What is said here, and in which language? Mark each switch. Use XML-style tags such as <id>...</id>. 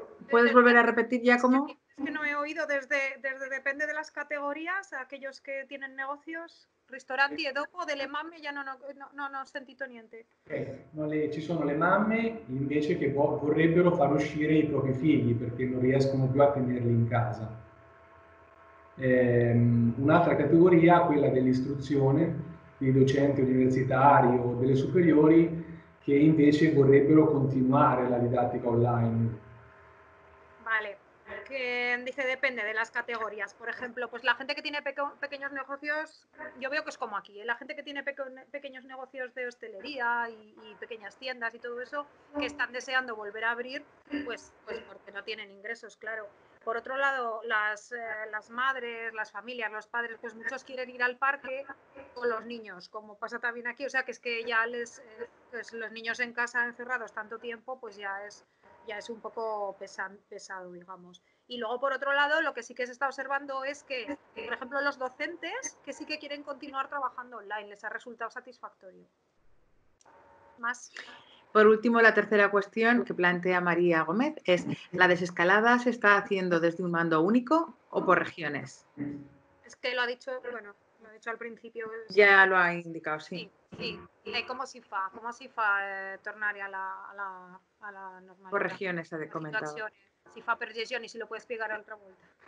<es>¿Puedes volver a repetir, Giacomo? Es que no he oído desde depende de las categorías, aquellos que tienen negocios,</es> <it>ristoranti e dopo, delle mamme,</it> <es>ya no he</es> <it>sentito niente. Ci sono le mamme invece che vorrebbero far uscire i propri figli perché non riescono più a tenerli in casa. Un'altra categoria, quella dell'istruzione, dei docenti universitari o delle superiori che invece vorrebbero continuare la didattica online.</it> <es>Vale, que dice depende de las categorías. Por ejemplo, pues la gente que tiene pequeños negocios, yo veo que es como aquí, la gente que tiene pequeños negocios de hostelería y pequeñas tiendas y todo eso, que están deseando volver a abrir, pues porque no tienen ingresos, claro. Por otro lado, las madres, las familias, los padres, pues muchos quieren ir al parque con los niños, como pasa también aquí. O sea, que es que ya les pues los niños en casa encerrados tanto tiempo, pues ya es un poco pesado, digamos. Y luego, por otro lado, lo que sí que se está observando es que, por ejemplo, los docentes, que sí que quieren continuar trabajando online, les ha resultado satisfactorio. ¿Más? Por último, la tercera cuestión que plantea María Gómez es, ¿la desescalada se está haciendo desde un mando único o por regiones? Es que lo ha dicho, bueno, lo ha dicho al principio. Es... Ya lo ha indicado, sí. Sí, ¿cómo</es> <it>si fa</it> <es>tornar a la normalidad? Por regiones, ha comentado.</es> <it>Si fa per gestione, si lo puoi spiegare un'altra volta.</it>